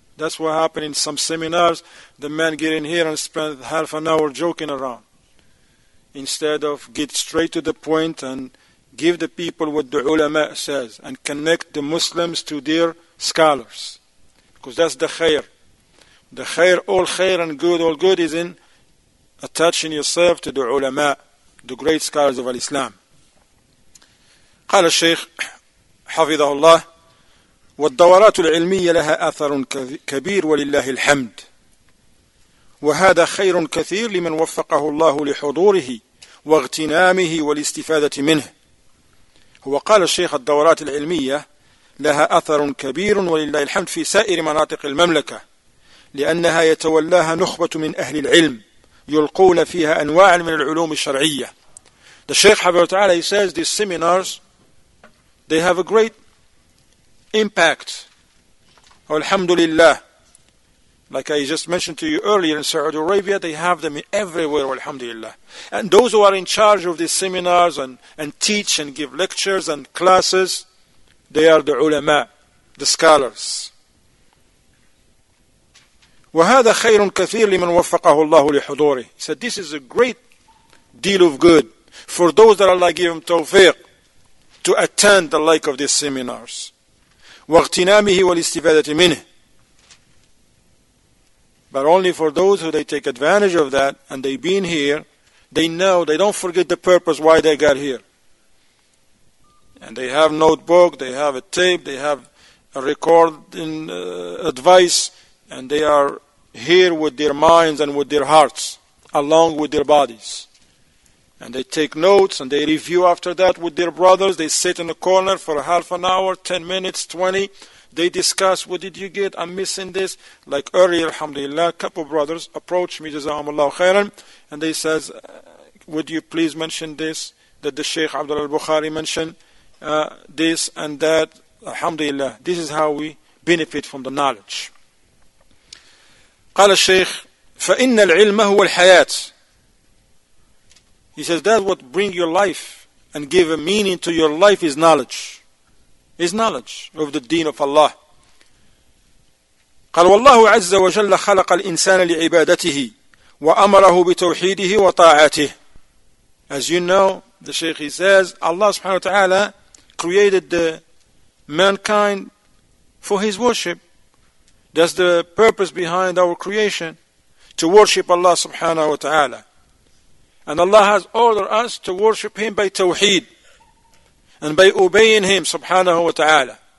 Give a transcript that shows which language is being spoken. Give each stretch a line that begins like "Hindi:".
English: That's what happened in some seminars. The men get in here and spend half an hour joking around, instead of get straight to the point and give the people what the ulama says and connect the Muslims to their scholars. Because that's the khair. The khair, all khair and good, all good is in attaching yourself to the ulama, the great scholars of Islam.
Arabic: قال الشيخ حفظه الله والدورات العلمية لها أثر كبير ولله الحمد وهذا خير كثير لمن وفقه الله لحضوره واغتنامه والاستفادة منه. هو قال الشيخ الدورات العلمية لها أثر كبير ولله الحمد في سائر مناطق المملكة، لأنها يتولاها نخبة من أهل العلم يلقون فيها أنواع من العلوم الشرعية.
English: The Shaykh
Arabic: حفظه تعالى,
English: he says these seminars, they have a great impact.
Arabic: الحمد لله.
English: Like I just mentioned to you earlier, in Saudi Arabia, they have them everywhere, alhamdulillah. And those who are in charge of these seminars and teach and give lectures and classes, they are the ulama, the scholars.
Arabic: وهذا خير كثير لمن وفقه الله لحضوره.
English: He said, this is a great deal of good for those that Allah gave him tawfiq to attend the like of these seminars.
Arabic: واغتنامه والاستفادة منه.
English: But only for those who they take advantage of that and they've been here, they know, they don't forget the purpose why they got here. And they have notebook, they have a tape, they have a recording advice, and they are here with their minds and with their hearts, along with their bodies. And they take notes and they review after that with their brothers. They sit in the corner for a half an hour, 10 minutes, 20. They discuss, what did you get? I'm missing this. Like earlier, alhamdulillah, a couple brothers approached me, jazakumullah khairan, and they says, would you please mention this, that the Sheikh Abdul al-Bukhari mentioned this and that. Alhamdulillah, this is how we benefit from the knowledge.
Arabic: قال الشيخ فإن العلم هو الحياة.
English: He says that what brings your life and give a meaning to your life is knowledge. Is knowledge of the deen of Allah.
Arabic: قال والله عز وجل خلق الإنسان لعبادته وأمره بتوحيده وطاعته.
English: As you know, the Shaykh he says, Allah subhanahu wa ta'ala created the mankind for his worship. That's the purpose behind our creation, to worship Allah subhanahu wa ta'ala. And Allah has ordered us to worship him by tawheed and by obeying him subhanahu wa ta'ala.